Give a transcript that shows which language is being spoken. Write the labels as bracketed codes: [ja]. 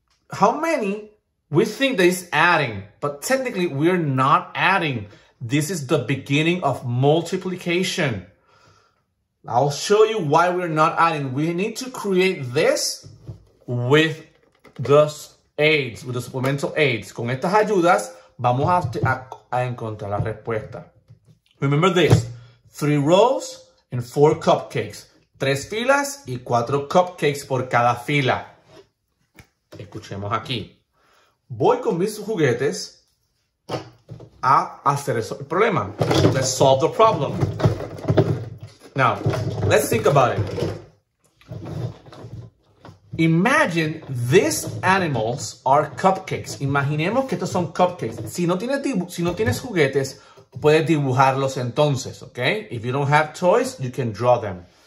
[en] how many we think that is adding, but technically we're not adding. This is the beginning of multiplication. I'll show you why we're not adding. We need to create this with the aids, with the supplemental aids. [es] Con estas ayudas, vamos a encontrar la respuesta. [en] Remember this, 3 rows and 4 cupcakes. [es] 3 filas y 4 cupcakes por cada fila. Escuchemos aquí. Voy con mis juguetes a hacer el problema. [en] Let's solve the problem. Now, let's think about it. Imagine these animals are cupcakes. [es] Imaginemos que estos son cupcakes. Si no tienes juguetes, puedes dibujarlos entonces, okay? [en] If you don't have toys, you can draw them.